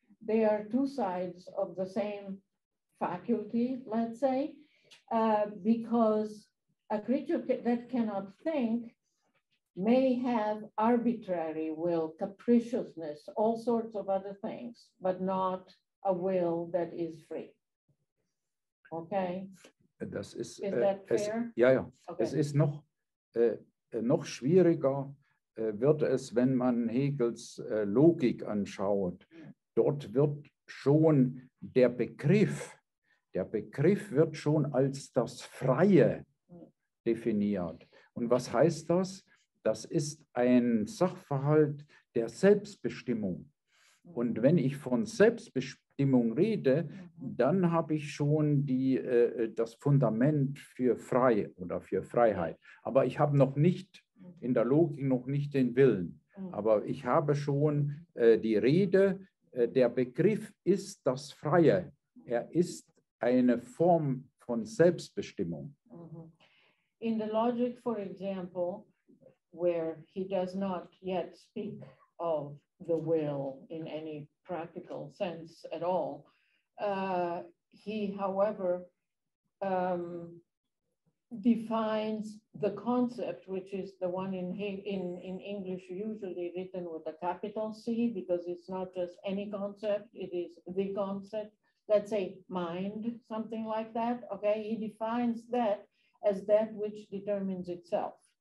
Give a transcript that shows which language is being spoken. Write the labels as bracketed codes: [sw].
[en] They are two sides of the same faculty, let's say, because a creature that cannot think may have arbitrary will, capriciousness, all sorts of other things, but not a will that is free. Okay. [de] Das ist, [en] is that fair? [de] Es, ja, ja. Okay. Es ist noch, noch schwieriger, wird es, wenn man Hegels Logik anschaut. Dort wird schon der Begriff wird schon als das Freie definiert. Und was heißt das? Das ist ein Sachverhalt der Selbstbestimmung. Und wenn ich von Selbstbestimmung rede, dann habe ich schon das Fundament für frei oder für Freiheit. Aber ich habe noch nicht in der Logik noch nicht den Willen. Aber ich habe schon die Rede, der Begriff ist das Freie. Er ist eine Form von Selbstbestimmung. [en] In the logic, for example, where he does not yet speak of the will in any practical sense at all. He, however, defines the concept, which is the one in English usually written with a capital C, because it's not just any concept, it is the concept, let's say mind, something like that, okay? He defines that as that which determines itself.